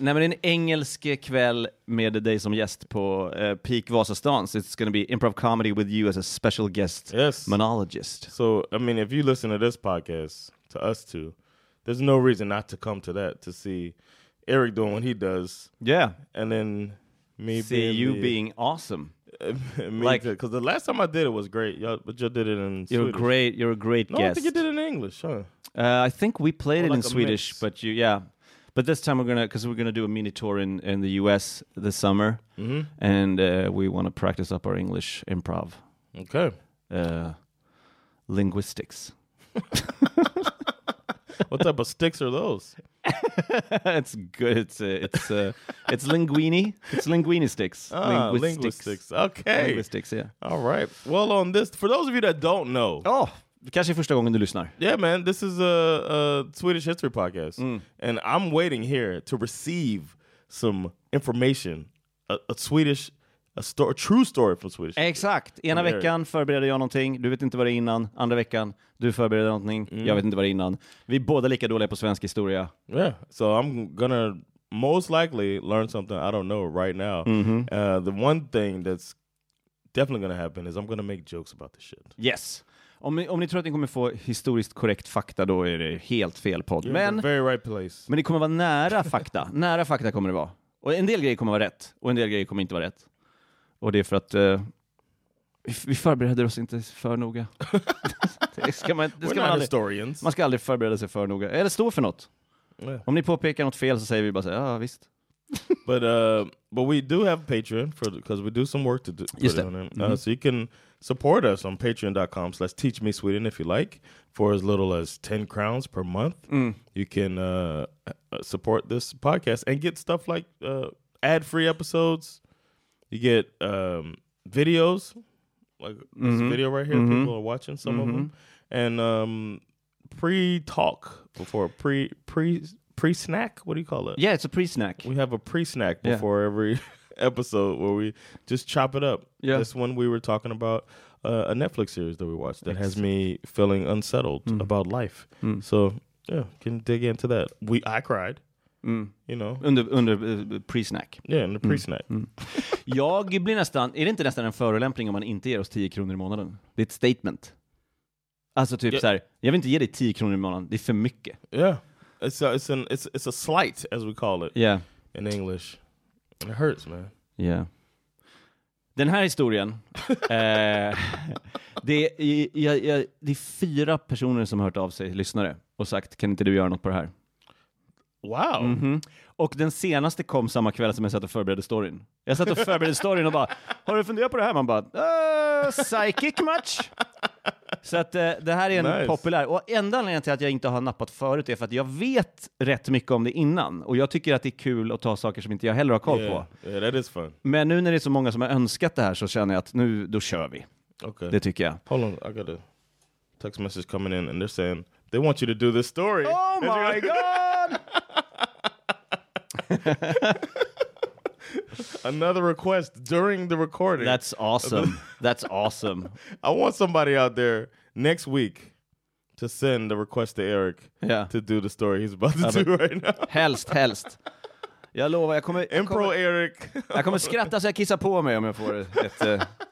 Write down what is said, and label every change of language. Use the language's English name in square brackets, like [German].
[Swedish] Nej, men en engelsk kväll med dig som gäst på Peak Vasastans. [English] It's going to be improv comedy with you as a special guest. Yes. Monologist. So, I mean, if you listen to this podcast, to us two, there's no reason not to come to that, to see Eric doing what he does. Yeah. And then me see being... See you being awesome. Like, because the last time I did it was great, but you did it in Swedish. You're a great no, guest. I think you did it in English, huh? I think we played it in Swedish, mix. But you, yeah. But this time we're gonna do a mini tour in the U.S. this summer, and we want to practice up our English improv. Okay. Linguistics. What type of sticks are those? It's good. It's linguine. It's linguine sticks. Linguistics. Okay. Linguistics, yeah. All right. Well, on this, for those of you that don't know. [Swedish] Oh, kanske första gången du lyssnar. [English] Yeah, man. This is a Swedish history podcast. Mm. And I'm waiting here to receive some information. A true story from Swedish. [Swedish] Exakt. Ena veckan förbereder jag någonting. Du vet inte vad det är innan. Andra veckan, du förbereder någonting. Mm. Jag vet inte vad det är innan. Vi är båda lika dåliga på svensk historia. [English] Yeah, so I'm gonna most likely learn something I don't know right now. The one thing that's definitely gonna happen is I'm gonna make jokes about this shit. Yes. [Swedish] Om ni tror att ni kommer få historiskt korrekt fakta, då är det helt fel podd. [English] Men very right place. [Swedish] Men det kommer vara nära fakta. Nära fakta kommer det vara. Och en del grejer kommer vara rätt. Och en del grejer kommer inte vara rätt. Och det är för att vi förbereder oss inte för noga. [English] We're not historians. [Swedish] Man ska aldrig förbereda sig för noga. Eller stå för något. [English] Yeah. [Swedish] Om ni påpekar något fel så säger vi bara så här, ah, visst. [English] but we do have Patreon because we do some work to do. [Swedish] Just det. [English] So you can support us on patreon.com/teachmesweden if you like. For as little as 10 crowns per month. Mm. You can support this podcast and get stuff like ad-free episodes. You get videos, like this video right here. Mm-hmm. People are watching some of them, and pre-snack. What do you call it? Yeah, it's a pre-snack. We have a pre-snack before every episode where we just chop it up. Yeah, this one we were talking about a Netflix series that we watched that has me feeling unsettled about life. Mm. So yeah, can dig into that. I cried. You know? [Swedish] Under pre-snack. Ja, yeah, under pre-snack. Mm. Jag blir nästan, är det inte nästan en förolämpning om man inte ger oss 10 kronor i månaden? Det är ett statement. Alltså typ så här, jag vill inte ge dig 10 kronor i månaden, det är för mycket. [English] Yeah, it's a slight, as we call it. Yeah. In English. It hurts, man. Yeah. [Swedish] Den här historien, det är 4 personer som har hört av sig, lyssnare, och sagt, kan inte du göra något på det här? [English] Wow. Mm-hmm. [Swedish] Och den senaste kom samma kväll som jag satt och förberedde storyn. Jag satt och förberedde storyn och bara, har du funderat på det här? Man bara, [English] psychic match. [Swedish] Så att det här är en nice. Populär. Och enda anledningen till att jag inte har nappat förut är för att jag vet rätt mycket om det innan. Och jag tycker att det är kul att ta saker som inte jag heller har koll på. [English] Yeah, that is fun. [Swedish] Men nu när det är så många som har önskat det här så känner jag att nu, då kör vi. [English] Okay. [Swedish] Det tycker jag. [English] Hold on, I got a text message coming in and they're saying, they want you to do this story. Oh my god! Another request during the recording. That's awesome. That's awesome. I want somebody out there next week to send the request to Eric to do the story he's about to do right now. [Swedish] Helst. Jag lovar, jag kommer... Impro Eric. Jag kommer skratta så jag kissar på mig om jag får ett...